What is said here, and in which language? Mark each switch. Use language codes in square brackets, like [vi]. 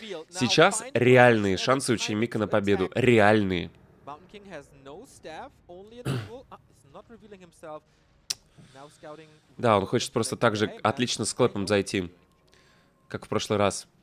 [ru] Сейчас реальные шансы у Чимика на победу. Реальные. [en] Mountain King has no staff, only a tool. He's not revealing himself. Now scouting. [ru] Да, он хочет просто так же отлично с клэпом зайти, как в прошлый раз.